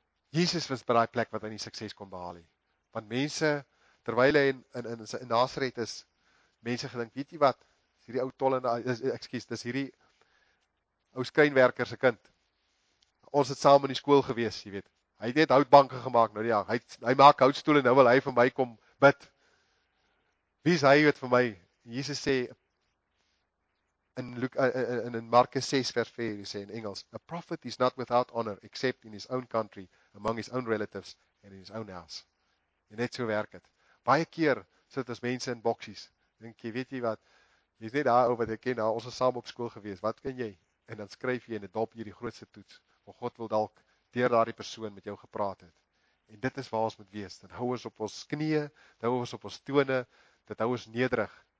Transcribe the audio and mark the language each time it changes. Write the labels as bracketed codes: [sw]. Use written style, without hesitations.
[af] Jesus was by daai plek wat hy nie sukses kon behaal nie. Want mense, terwyl hy in Nasaret is, mense gedink, weet jy wat, is hierdie ou tollenaar, ekskuus, dis hierdie ou skrynwerker se kind. Ons het saam in die skool gewees, jy weet. Hy het net houtbanke gemaak nou ja, hy maak houtstoele nou wil hy vir my kom bid. Wie is hy weet vir my? Jesus sê in Markus 6 vers 4 sê in Engels, [en] a prophet is not without honor except in his own country, among his own relatives and in his own house. [af] En net so werk dit. Baie keer sit ons mense in boksies. Dink jy weet jy wat? Jy's net daar oor wat ek ken, ons was saam op skool gewees. Wat kan jy? En dan skryf jy in 'n dop hierdie grootste toets. Maar God wil dalk deur daardie persoon met jou gepraat het. En dit is waar ons moet wees. Dan hou ons op ons knieë, dan hou ons op ons tone, dit hou ons nederig.